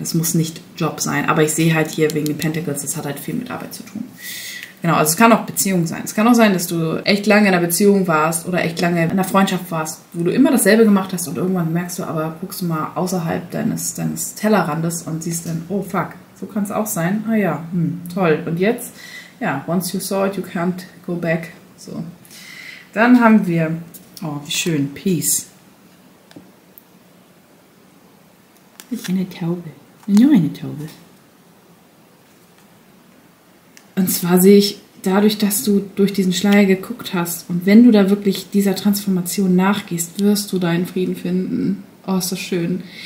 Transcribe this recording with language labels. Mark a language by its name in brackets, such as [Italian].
[German] Es muss nicht Job sein. Aber ich sehe halt hier wegen den Pentacles, das hat halt viel mit Arbeit zu tun. Genau, also es kann auch Beziehung sein. Es kann auch sein, dass du echt lange in einer Beziehung warst oder echt lange in einer Freundschaft warst, wo du immer dasselbe gemacht hast und irgendwann merkst du, aber guckst du mal außerhalb deines Tellerrandes und siehst dann, oh fuck, so kann es auch sein. Ah ja, toll. Und jetzt? [English] Ja, once you saw it, you can't go back. [German] So. Dann haben wir, oh, wie schön, Peace. Ich bin eine Taube. Nur eine Taube. Und zwar sehe ich, dadurch, dass du durch diesen Schleier geguckt hast und wenn du da wirklich dieser Transformation nachgehst, wirst du deinen Frieden finden. Oh, ist das schön.